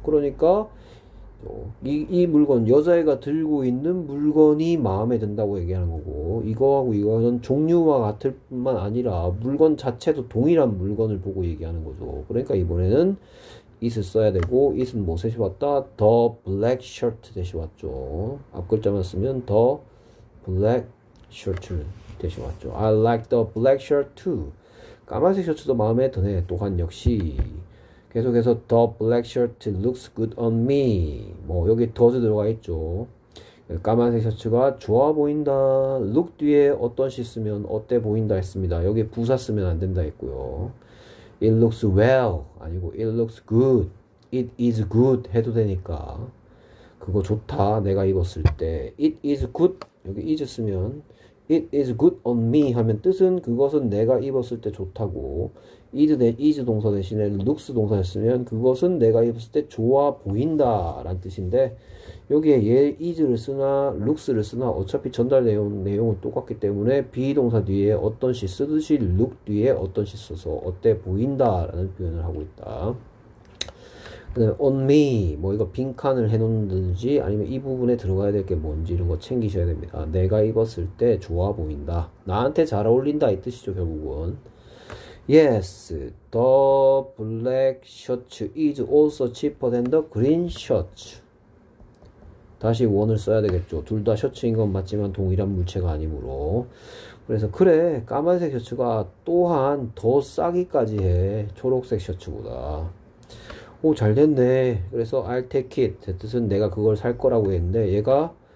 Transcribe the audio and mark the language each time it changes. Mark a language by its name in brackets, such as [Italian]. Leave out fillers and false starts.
[Korean] 그러니까 이 물건, 여자애가 들고 있는 물건이 마음에 든다고 얘기하는 거고, 이거하고 이거는 종류와 같을 뿐만 아니라 물건 자체도 동일한 물건을 보고 얘기하는 거죠. 그러니까 이번에는 it을 써야 되고, it은 뭐 대신 왔다? [English] The black shirt [Korean] 대신 왔죠. 앞 글자만 쓰면 the black shirt는 대신 왔죠. [English] I like the black shirt too. [Korean] 까만색 셔츠도 마음에 드네. 또한 역시. 계속해서 [English] the black shirt looks good on me. [Korean] 뭐 여기 does 들어가 있죠. 까만색 셔츠가 좋아 보인다. look 뒤에 어떤 시 쓰면 어때 보인다 했습니다. 여기 부사 쓰면 안 된다 했고요. [English] It looks well [Korean] 아니고 [English] it looks good. It is good [Korean] 해도 되니까. 그거 좋다. 내가 입었을 때. It is good. 여기 is 쓰면 [English] It is good on me [Korean] 하면 뜻은 그것은 내가 입었을 때 좋다고 is 동사 대신에 looks 동사였으면 그것은 내가 입었을 때 좋아 보인다 라는 뜻인데 여기에 얘 is를 쓰나 looks를 쓰나 어차피 전달 내용은 똑같기 때문에 be 동사 뒤에 어떤 시 쓰듯이 look 뒤에 어떤 시 써서 어때 보인다 라는 표현을 하고 있다. 그다음에 on me 뭐 이거 빈칸을 해놓는든지 아니면 이 부분에 들어가야 될게 뭔지 이런 거 챙기셔야 됩니다. 내가 입었을 때 좋아 보인다. 나한테 잘 어울린다 이 뜻이죠 결국은. [English] Yes, the black shirt is also cheaper than the green shirt. [Korean] 다시 원을 써야 되겠죠. 둘다 셔츠인 건 맞지만 동일한 물체가 아니므로. 그래서 그래 까만색 셔츠가 또한 더 싸기까지 해 초록색 셔츠보다. 오, 잘 됐네. 그래서 [English] I'll take it. [Korean] 대 뜻은 내가 그걸 살 거라고 했는데 얘가